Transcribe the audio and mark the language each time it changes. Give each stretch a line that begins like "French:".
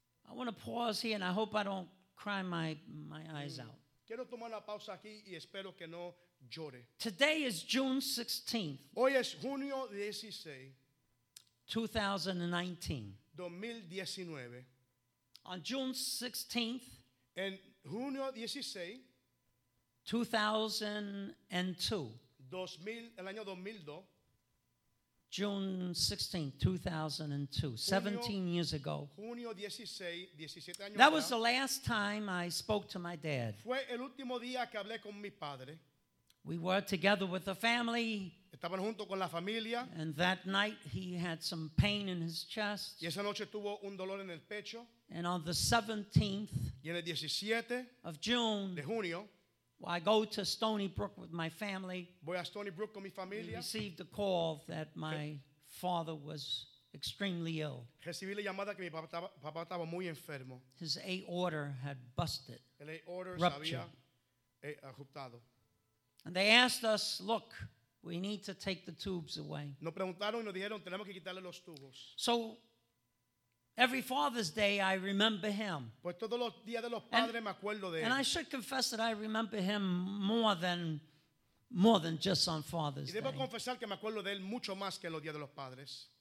English: I want to pause here and I hope I don't cry my eyes out.
Spanish: Quiero tomar una pausa aquí y espero que no llore.
English: Today is June 16th.
Spanish: Hoy es junio 16,
English: 2019. On June 16th,
Spanish: en junio 16,
English: 2002.
Spanish: 2000, el año 2002.
English: June 16, 2002, 17 years ago.
Spanish: Junio 16, 17 años.
English: That was the last time I spoke to my dad.
Spanish: Fue el último día que hablé con mi padre.
English: We were together with the family.
Spanish: Estaban junto con la familia.
English: And that night he had some pain in his chest.
Spanish: Y esa noche tuvo un dolor en el pecho.
English: And on the 17th
Spanish: y en el 17
English: of June,
Spanish: de junio,
English: well, I go to Stony Brook with my family.
Spanish: Voy a Stony Brook con mi familia.
English: We received a call that my father was extremely ill.
Spanish: Recibí la llamada que mi papá estaba muy enfermo.
English: His aorta had busted.
Spanish: El aorta
English: ruptured.
Spanish: Había ruptado.
English: And they asked us, look, we need to take the tubes away.
Spanish: Nos preguntaron y nos dijeron, tenemos que quitarle los tubos.
English: So, every Father's Day, I remember him. And I should confess that I remember him more than just on Father's Day.
Spanish: Confesar que me acuerdo de él mucho más que los días de los padres.